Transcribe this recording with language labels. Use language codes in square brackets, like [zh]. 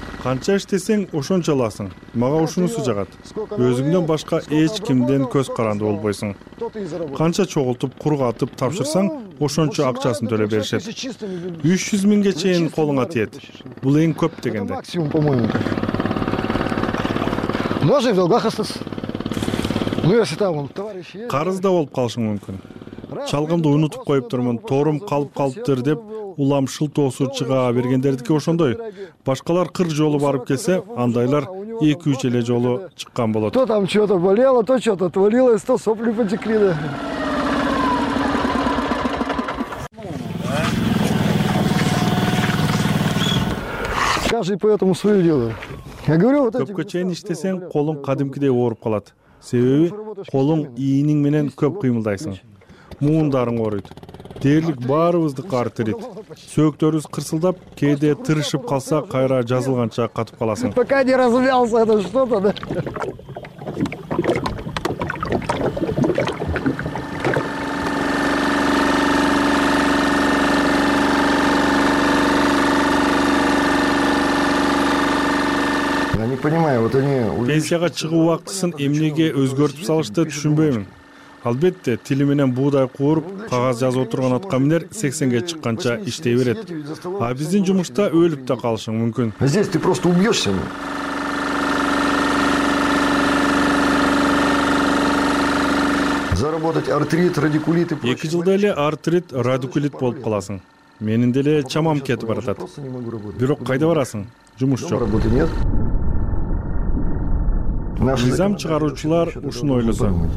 [ky] Канча иштесең, ошончо аласың. Мага ушунусу жагат. Өзүңдөн башка эч кимден көз каранды болбойсуң. Канча чогултуп, кургатып тапшырсаң, ошончо акчасын төлөп беришет. 300 миңге чейин колуңа тиет. Бул эң көп дегенде. [ru] Максимум, по-моему. Можно и в долгах остаться. Ну, если там, товарищи... [ky] Карызда болуп калышың мүмкүн. Чалгымды унутуп коюптурмун, торум калып калыптыр деп улам шылтоосу чыга бергендердики ошондой. Башкалар 40 жолу барып келсе, андайлар 2-3 эле жолу чыккан болот. [ru] То там что-то [ky] болело, [ru] то что-то отвалилось, то сопли потекли. Каждый поэтому свое делает. Я говорю, вот эти... [ky] Көпкө чейин иштесең, колуң кадимкидей ооруп калат. Себеби, колуң ийиниң менен көп кыймылдайсың. Муундарың ооруйт. Дээрлик баарыбыздык артрит. Сөөктөрүбүз кырсылдап, кээде тырышып калса, кайра жазылганча катып каласың. [ru] Пока не развялся это что-то, да? [ky] Пенсияга чыгуу убактысын эмнеге өзгөртүп салышты түшүнбөймүн. Албетте, тили менен буудай кууруп, кагаз жазып отурган аткаминер 80-ге чыкканча иштей берет. А биздин жумушта өлүп да калышың мүмкүн. [ru] Здесь ты просто убьёшься. Заработать артрит, радикулит и прочее. [ky] 2 жылда эле артрит, радикулит болуп каласың. Менин деле чамам кетип баратат. Бирок кайда барасың? Жумуш жок. [ru] Работы нет. [ky] Мыйзам чыгаруучулар ушуну ойлосо.